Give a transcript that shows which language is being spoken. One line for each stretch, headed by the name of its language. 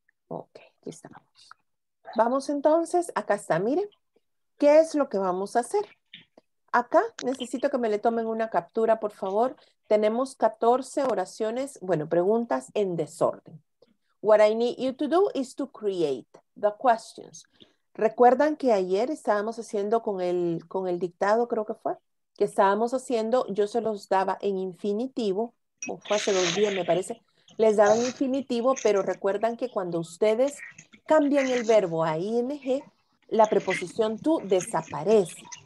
Spanish: Aquí estamos. Vamos entonces, acá está, miren. ¿Qué es lo que vamos a hacer? Acá necesito que me le tomen una captura, por favor. Tenemos 14 oraciones, bueno, preguntas en desorden.
English: What I need you to do is to create the questions.
Spanish: ¿Recuerdan que ayer estábamos haciendo con el dictado, creo que fue? Que estábamos haciendo, yo se los daba en infinitivo, o fue hace dos días, me parece. Les daba en infinitivo, pero recuerdan que cuando ustedes cambian el verbo a ing, la preposición to desaparece.